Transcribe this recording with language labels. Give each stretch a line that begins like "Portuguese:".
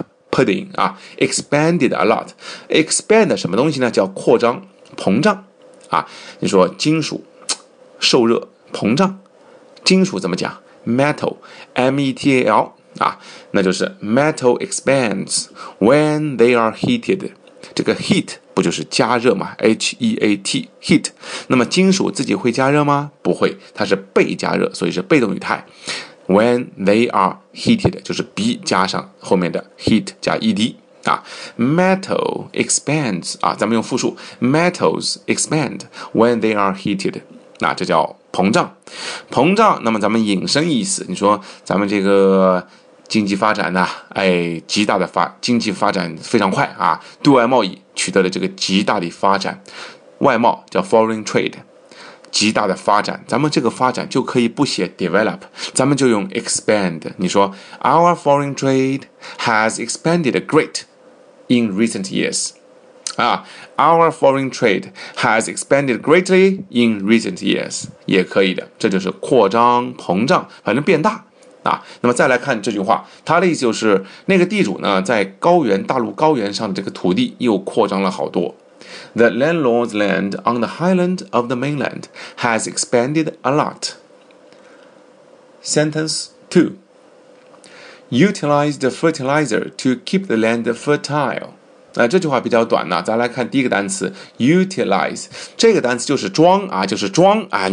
Chinese: p 的音啊 expanded a lot expand 什么东西呢叫扩张膨胀啊你说金属受热膨胀金属怎么讲 metal metal 啊那就是
English: metal expands when they are heated
Chinese: 这个 heat不就是加热吗 ?H-E-A-T, heat. 那么金属自己会加热吗不会它是被加热所以是被动语态。
English: When they are heated,
Chinese: 就是 be 加上后面的 heat 加 ed.、
English: 啊、metal expands, 啊咱们用复数 ,metals expand when they are heated.
Chinese: 那、啊、这叫膨胀。膨胀那么咱们引申意思你说咱们这个经济发展呢、啊、哎极大的发经济发展非常快啊对外贸易取得了这个极大的发展。外贸叫 foreign trade, 极大的发展咱们这个发展就可以不写 develop, 咱们就用 expand, 你说
English: our foreign trade has expanded great in recent years. 啊 ,our foreign trade has expanded greatly in recent years,
Chinese: 也可以的这就是扩张膨胀反正变大。啊、那么再来看这句话他的意思就是那个地主呢在高原大陆高原上的这个土地又扩张了好多
English: The landlord's land on the highland of the mainland has expanded a lot Sentence 2 Utilize the fertilizer to keep the land fertile、
Chinese: 这句话比较短呢再来看第一个单词 Utilize 这个单词就是装啊，就是装啊。